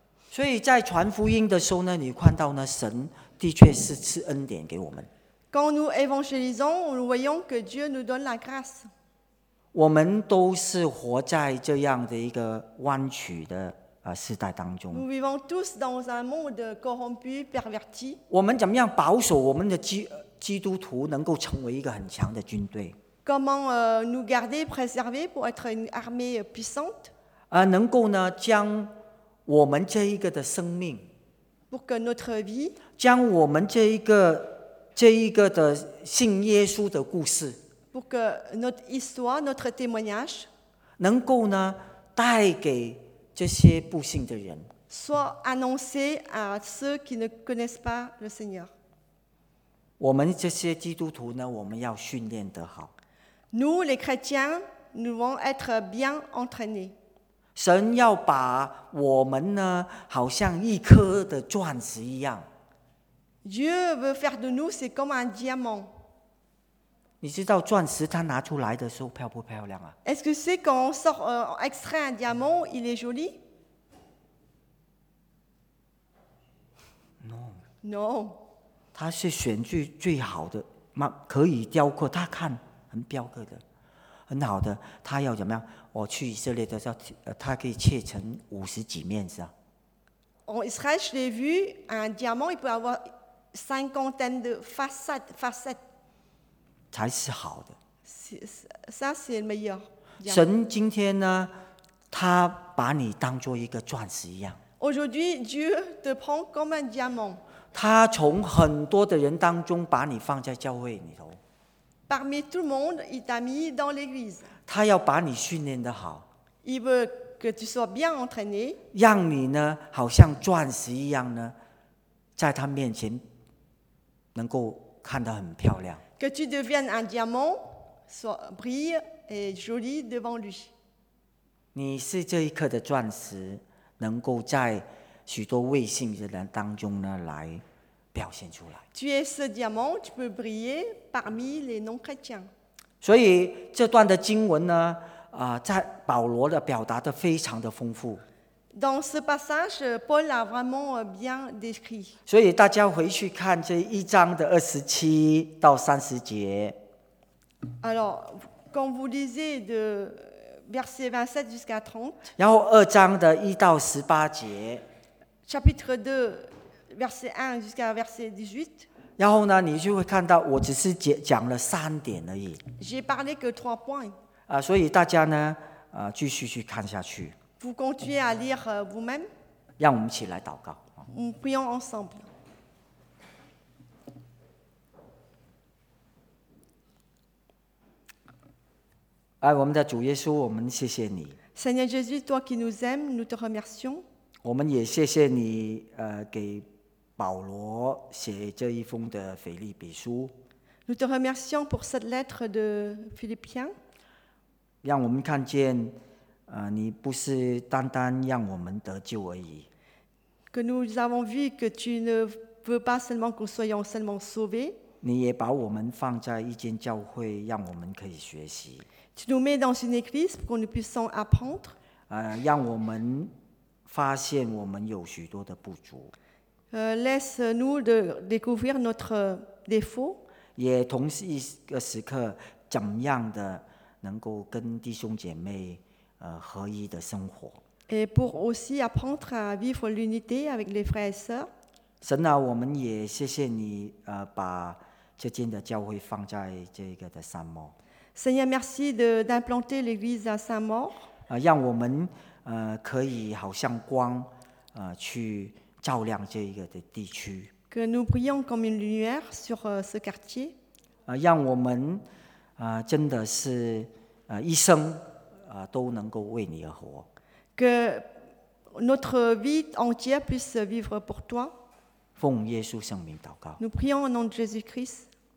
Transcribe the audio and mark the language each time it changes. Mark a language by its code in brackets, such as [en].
[zh] 所以在传福音的时候呢，你看到呢，神的确是赐恩典给我们。 [fr] Quand nous évangélisons, nous voyons que Dieu nous donne la grâce. [zh] 我们都是活在这样的一个弯曲的。时代当中 [fr] Nous vivons tous dans un monde corrompu, perverti. [zh] 我们怎么样保守我们的基督徒能够成为一个很强的军队 [fr] Comment nous garder, préserver pour être une armée puissante? [zh] 能够呢将我们这一个的生命 [fr] Pour que notre vie [zh] 将我们这一个的信耶稣的故事 [fr] Pour que notre histoire, notre témoignage [zh] 能够呢带给这些不幸的人 [fr] soit annoncé à ceux qui ne connaissent pas le Seigneur. [zh] 我们这些基督徒呢，我们要训练得好。 [fr] Nous les chrétiens, nous devons être bien entraînés. [zh] 神要把我们呢，好像一颗的钻石一样。 [fr] Dieu veut faire de nous, c'est comme un diamant. [zh] 你知道钻石它拿出来的时候漂不漂亮啊 [fr] ？Est-ce que c'est quand on sort, on extrait un diamant, il est joli? Non. Non. [zh] 它是选最好的，可以雕刻，它看很雕刻的，很好的。它要怎么样？我去以色列的时候，它可以切成五十几面，是吧 [fr] ？En Israël, je l'ai vu, un diamant, il peut avoir cinquantaine de facettes. [zh] 才是好的。 [fr] Ça, c'est le meilleur. [zh] 神今天呢，他把你当做一个钻石一样。 [fr] Aujourd'hui, Dieu te prend comme un diamant. [zh] 他从很多的人当中把你放在教会里头。 [fr] Parmi tout le monde, il t'a mis dans l'église. [zh] 他要把你训练得好。 [fr] Il veut que tu sois bien entraîné. [zh] 让你呢，好像钻石一样呢，在他面前能够看得很漂亮。 [fr] Que tu deviennes un diamant, soit brille et joli devant lui. [zh] 你是这一颗的钻石，能够在许多未信的人当中呢来表现出来。 [fr] Tu es ce diamant, tu peux briller parmi les non-chrétiens. [zh] 所以这段的经文呢，在保罗的表达的非常的丰富。 [fr] Dans ce passage, Paul a vraiment bien décrit. [zh] 所以大家回去看这一章的27-30节。 [fr] Alors, quand vous lisez de verset 27 jusqu'à 30. [zh] 然后二章的1-18节。 [fr] Chapitre 2, verset 1 jusqu'à verset 18. [zh] 然后呢，你就会看到，我只是讲了三点而已。 [fr] J'ai parlé que trois points. [zh] 所以大家呢，继续去看下去。 [fr] Vous continuez à lire vous-même. [zh] 让我们一起来祷告。 [fr] Nous prions ensemble. [zh] Ah, 我们的主耶稣，我们谢谢你。 [fr] Seigneur Jésus, toi qui nous aimes, nous te remercions. [zh] 我们也谢谢你，给保罗写这一封的腓立比书。 [fr] Nous te remercions pour cette lettre de Philippiens. [zh] 让我们看见。你不是单单让我们得救而已。 [fr] Que nous avons vu que tu ne veux pas seulement que nous soyons seulement sauvés. [zh] 你也把我们放在一间教会，让我们可以学习。 [fr] Tu nous mets dans une église pour que nous puissions apprendre. [zh] 让我们发现我们有许多的不足。 [fr] Laisse-nous de découvrir notre défaut. [zh] 也同时一个时刻，怎样的能够跟弟兄姐妹合一的生活。 [fr] Et pour aussi apprendre à vivre l'unité avec les frères et sœurs. [zh] 神啊，我们也谢谢你，把这间的教会放在这个的圣母。 [fr] Seigneur, merci d'implanter l'église à Saint-Maur. [zh] 让我们可以好像光去照亮这个的地区。 [fr] Que nous brillons comme une lumière sur ce quartier. [zh] 让我们真的是一生都能够为你而活。 [fr] Que notre vie entière puisse vivre pour toi. [zh] 奉耶稣圣名祷告。 [fr] Nous prions au nom de Jésus-Christ.